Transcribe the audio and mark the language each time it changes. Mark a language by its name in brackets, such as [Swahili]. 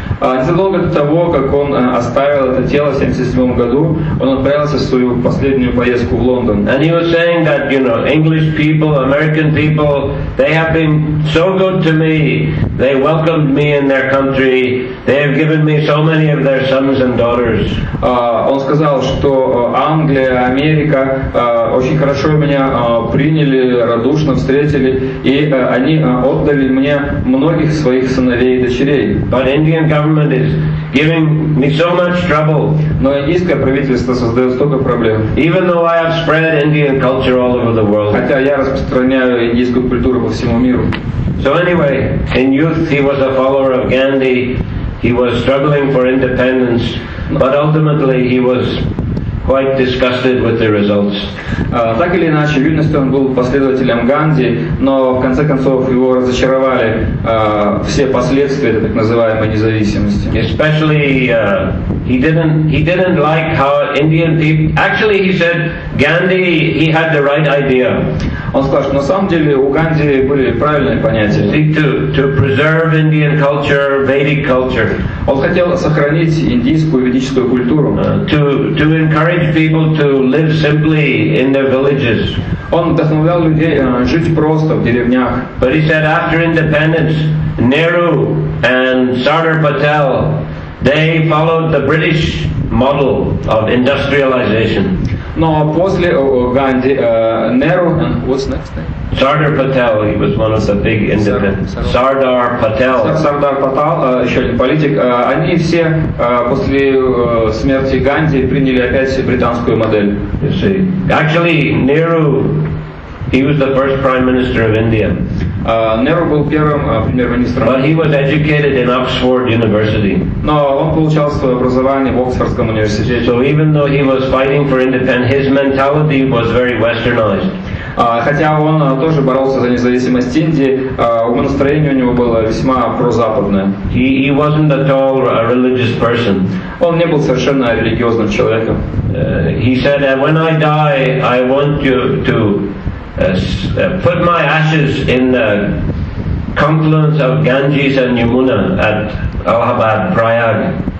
[Russian] Незадолго до того, как он оставил это тело в 77 году, он отправился в свою последнюю поездку в Лондон. [English] And he was saying that, you know, English people, American people, they have been so good to me. They welcomed me in their country. They have given me so many of their sons and daughters. [Russian] Он сказал, что Англия, Америка очень хорошо меня приняли, радушно встретили, и они отдали мне многих своих сыновей и дочерей. [English] But Indian government is giving me so much trouble. [Russian] Но индийское правительство создает столько проблем. [English] Even though I have spread Indian culture all over the world. [Russian] Хотя я распространяю индийскую культуру по всему миру. [English] So anyway, in youth he was a follower of Gandhi. He was struggling for independence, but ultimately he was quite disgusted with the results. [Russian] Так или иначе, в юности он был последователем Ганди, но в конце концов его разочаровали все последствия так называемой независимости. [English] Especially he didn't like how Indian people. Actually, he said Gandhi he had the right idea. [Russian] Он сказал, что на самом деле у Ганди были правильные понятия. [English] To preserve Indian culture, Vedic culture. [Russian] Он хотел сохранить индийскую ведическую культуру. [English] To encourage people to live simply in their villages. [Russian] Он вдохновлял людей жить просто в деревнях. [English] But he said after independence, Nehru and Sardar Patel, they followed the British model of industrialization. [Russian] Но после Ганди, Неру, [English] what's next name? Sardar Patel, he was one of the big independents. Sardar Patel. [Russian] Sardar Patel, еще один политик. Они все после смерти Ганди приняли опять британскую модель. [English] You see. Actually, Nehru, he was the first prime minister of India. [Russian] Неру был первым премьер-министром. [English] But he was educated in Oxford University. [Russian] Но он получал свое образование в Оксфордском университете. [English] So even though he was fighting for independence, his mentality was very westernized. [Russian] Хотя он тоже боролся за независимость Индии, ум настроение у него было весьма прозападное. [English] He wasn't at all a religious person. [Russian] Он не был совершенно религиозным человеком. [English] He said, when I die, I want you to put my ashes in the confluence of Ganges and Yamuna at Allahabad, Prayag.